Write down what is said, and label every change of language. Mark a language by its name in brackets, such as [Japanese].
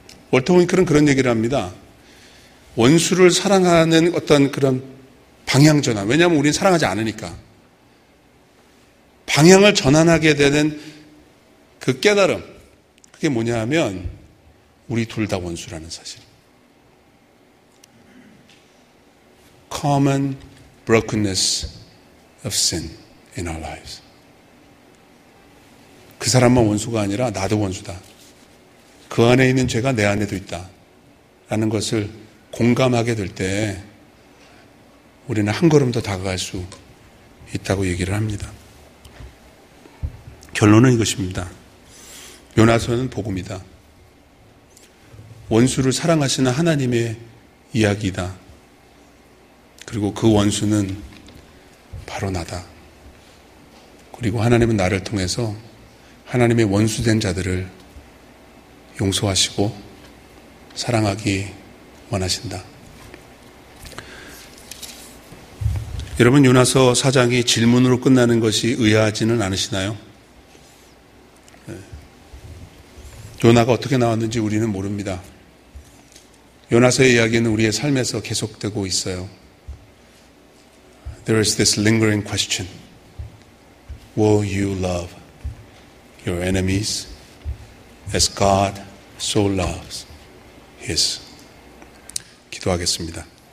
[Korean] 월터 윙클은 그런 얘기를 합니다. 원수를 사랑하는 어떤 그런 방향 전환. 왜냐하면 우리는 사랑하지 않으니까. 방향을 전환하게 되는 그 깨달음. 그게 뭐냐 하면 우리 둘 다 원수라는 사실. [English] Common brokenness of sin in our lives. [Korean] 그 사람만 원수가 아니라 나도 원수다. 그 안에 있는 죄가 내 안에도 있다. 라는 것을 공감하게 될 때 우리는 한 걸음 더 다가갈 수 있다고 얘기를 합니다. 결론은 이것입니다. 요나서는 복음이다. 원수를 사랑하시는 하나님의 이야기다. 그리고 그 원수는 바로 나다. 그리고 하나님은 나를 통해서 하나님의 원수된 자들을 용서하시고 사랑하기 원하신다. 여러분, 요나서 4장이 질문으로 끝나는 것이 의아하지는 않으시나요? 요나가 어떻게 나왔는지 우리는 모릅니다. 요나서의 이야기는 우리의 삶에서 계속되고 있어요. [English] There is this lingering question. Will you love your enemies as God so loves his? [Korean] 기도하겠습니다.